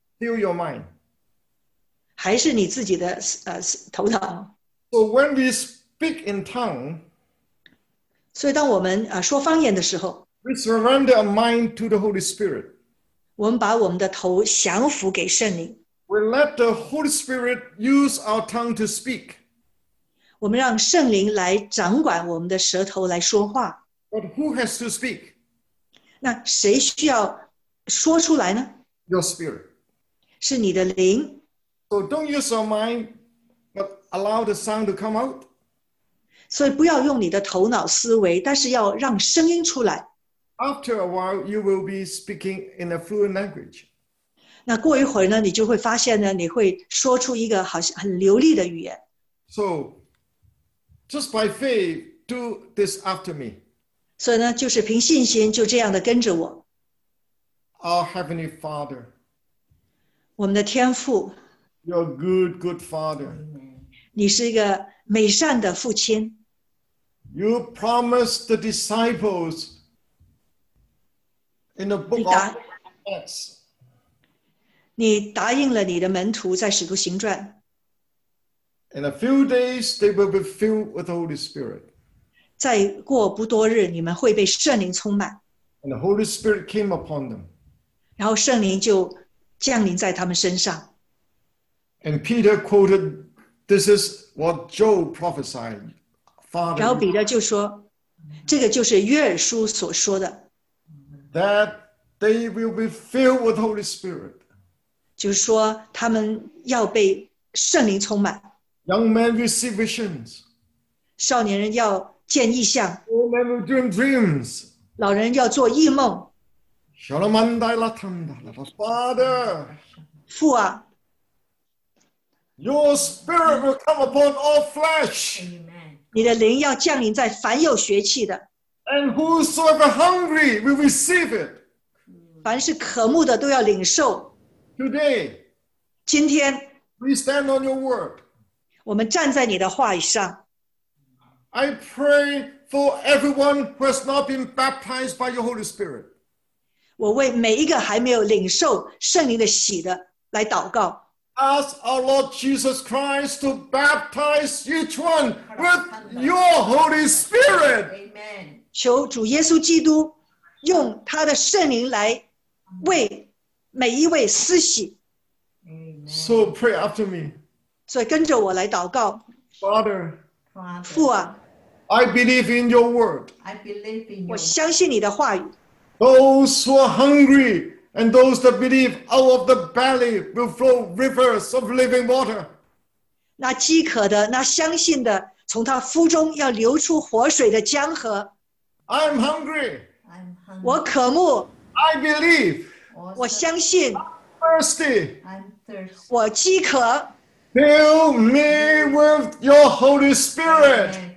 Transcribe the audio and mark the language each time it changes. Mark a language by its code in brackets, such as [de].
[en] ？Fill your mind. [zh] 还是你自己的头脑 [en] So when we speak in tongue, [zh] 所以当我们说方言的时候, [en] we surrender our mind to the Holy Spirit. [zh] 我们把我们的头降服给圣灵。 [en] We let the Holy Spirit use our tongue to speak. [zh] 我们让圣灵来掌管我们的舌头来说话。 [en] But who has to speak? [zh] 那谁需要说出来呢? [en] Your spirit. [zh] 是你的灵。 [en] So don't use your mind, but allow the sound to come out. [zh] 所以不要用你的头脑思维，但是要让声音出来。 [en] After a while, you will be speaking in a fluent language. [zh] 那过一会儿呢，你就会发现呢，你会说出一个好像很流利的语言。 [en] So, just by faith, do this after me. [zh] 所以呢，就是凭信心就这样的跟着我。 [en] Our Heavenly Father. [zh] 我们的天父。 [en] You're a good, good father. [zh] 你是一个美善的父亲。 [en] You promised the disciples in the book of Acts. [zh] 你答应了你的门徒在使徒行传。 [en] In a few days, they will be filled with the Holy Spirit. [zh] 再过不多日，你们会被圣灵充满。 [en] And the Holy Spirit came upon them. [zh] 然后圣灵就降临在他们身上。 [en] And Peter quoted, this is what Joel prophesied. Father, [zh] 然后彼得就说，这个就是约珥书所说的。 [en] That they will be filled with the Holy Spirit. [zh] 就是说他们要被圣灵充满。 [en] Young men receive visions. [zh] 少年人要见异象。 [en] Old men will dream dreams. [zh] 老人要做异梦。 Shalomandai latanda, Father. 父啊。 [en] Your spirit will come upon all flesh. Amen. [zh] 你的灵要降临在凡有血气的。 [en] And whosoever hungry will receive it. [zh] 凡是渴慕的都要领受。 [en] Today. [zh] 今天。 [en] We stand on your word. [zh] 我们站在你的话语上。 [en] I pray for everyone who has not been baptized by your Holy Spirit. [zh] 我为每一个还没有领受圣灵的洗的来祷告。 [en] Ask our Lord Jesus Christ to baptize each one with your Holy Spirit. Amen. [zh] 求主耶稣基督用他的圣灵来为每一位施洗。 [en] So pray after me. [zh] 所以跟着我来祷告。 [en] Father, [zh] 父啊。 [en] I believe in your word. I believe in you. [zh] 我相信你的话语。 [en] Those who are hungry. And those that believe out of the belly will flow rivers of living water. [zh] 那饥渴的，那相信的，从他腹中要流出活水的江河。 [en] I'm hungry. [zh] 我渴慕。 [en] I believe. [zh] 我相信。 [en] I'm thirsty. [zh] 我饥渴。 [en] Fill me with your Holy Spirit.